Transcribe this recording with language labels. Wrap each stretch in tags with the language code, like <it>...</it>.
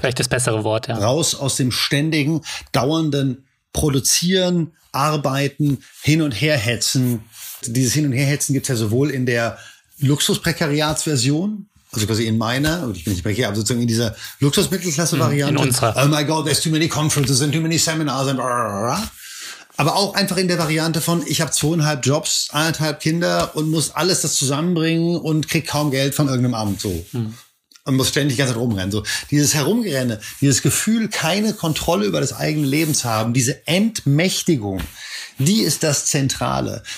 <de>Vielleicht das bessere Wort, ja. Raus aus dem ständigen, dauernden Produzieren, Arbeiten, Hin- und Herhetzen. Dieses Hin- und Herhetzen gibt es ja sowohl in der Luxus-Prekariats-Version, also quasi in meiner, und ich bin nicht mehr hier, aber sozusagen in dieser Luxus-Mittelklasse-Variante. In unserer.</de> <en>Oh my God, there's too many conferences and too many seminars and blah.</en> <de>Aber auch einfach in der Variante von, ich habe 2,5 Jobs, 1,5 Kinder und muss alles das zusammenbringen und krieg kaum Geld von irgendeinem Amt so. Und muss ständig die ganze Zeit rumrennen. So, dieses Herumrenne, dieses Gefühl, keine Kontrolle über das eigene Leben zu haben, diese Entmächtigung, die ist das Zentrale.</de>